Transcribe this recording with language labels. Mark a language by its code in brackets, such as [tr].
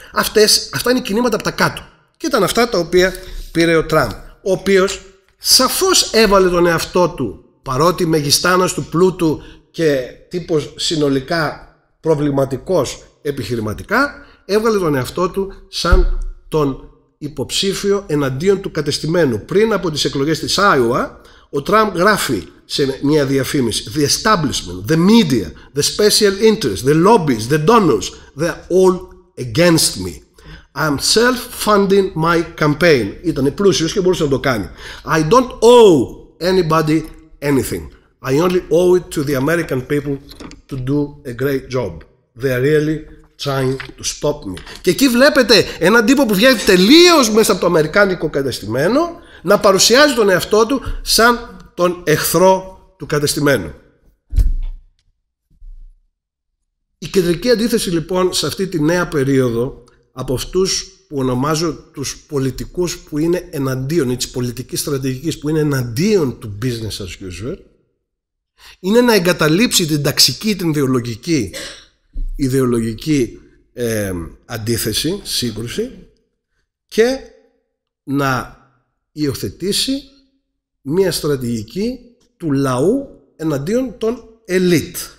[el] Αυτά είναι κινήματα από τα κάτω. Και ήταν αυτά τα οποία πήρε ο Τραμπ, ο οποίος σαφώς έβαλε τον εαυτό του, παρότι μεγιστάνας του πλούτου και τύπος συνολικά προβληματικός επιχειρηματικά, έβγαλε τον εαυτό του σαν τον υποψήφιο εναντίον του κατεστημένου. Πριν από τις εκλογές της Άιωα, ο Τραμπ γράφει σε μια διαφήμιση: [en] «The establishment, the media, the special interests, the lobbies, the donors, they're all against me. I'm self-funding my campaign». [el] Ήταν πλούσιος και μπορούσε να το κάνει. [en] «I don't owe anybody anything. I only owe it to the American people to do a great job. They are really trying to stop me». [el] Και εκεί βλέπετε έναν τύπο που βγαίνει τελείως μέσα από το αμερικάνικο κατεστημένο να παρουσιάζει τον εαυτό του σαν τον εχθρό του κατεστημένου. Η κεντρική αντίθεση λοιπόν σε αυτή τη νέα περίοδο από αυτούς που ονομάζω τους πολιτικούς που είναι εναντίον ή της πολιτικής στρατηγικής που είναι εναντίον του business as usual είναι να εγκαταλείψει την ταξική, την ιδεολογική αντίθεση, σύγκρουση και να υιοθετήσει μία στρατηγική του λαού εναντίον των ελίτ.